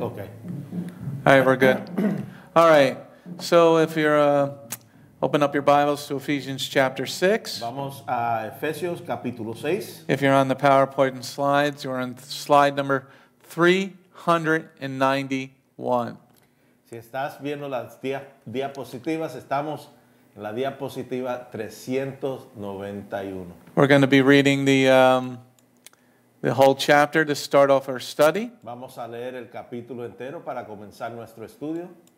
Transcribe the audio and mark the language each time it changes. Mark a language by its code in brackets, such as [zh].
[en] All right, we're good. All right. So if you're open up your Bibles to Ephesians chapter 6. [es] Vamos a Efesios capítulo 6. [en] If you're on the PowerPoint and slides, you're on slide number 391. [es] Si estás viendo las diapositivas, estamos en la diapositiva 391. [en] We're going to be reading the whole chapter to start off our study. [es] Vamos a leer el capítulo entero para comenzar nuestro estudio.